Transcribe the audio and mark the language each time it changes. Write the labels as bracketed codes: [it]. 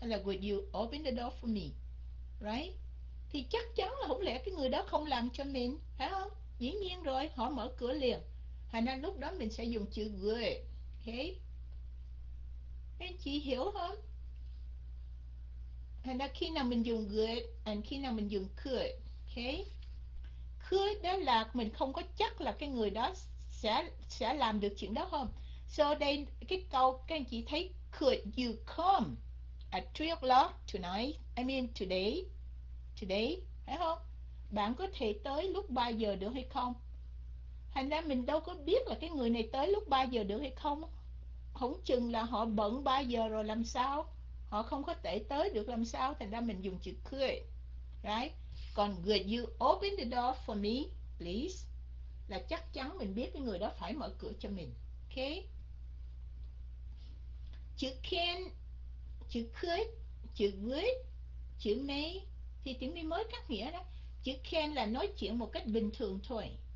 [en] hay là would you open the door for me, right? [vi] Thì chắc chắn là không lẽ cái người đó không làm cho mình, phải không? Dĩ nhiên rồi, họ mở cửa liền. Thành ra lúc đó mình sẽ dùng chữ would, okay? Anh chị hiểu không? Thành ra khi nào mình dùng good and khi nào mình dùng could, okay? Could đó là mình không có chắc là cái người đó sẽ làm được chuyện đó không? [en] So [vi] đây cái câu các anh chị thấy [en] could you come at 3 o'clock tonight? I mean today. Today, [vi] phải không? Bạn có thể tới lúc 3 giờ được hay không? Thành ra mình đâu có biết là cái người này tới lúc 3 giờ được hay không? Không chừng là họ bận 3 giờ rồi làm sao? Họ không có thể tới được làm sao, thành ra mình dùng chữ could. [en] Right? [vi] Còn [en] would you open the door for me, please? [vi] Là chắc chắn mình biết cái người đó phải mở cửa cho mình. Okay? Chữ can, chữ could, chữ would, chữ may thì tiếng Mỹ mới cắt nghĩa đó. Chữ can là nói chuyện một cách bình thường thôi.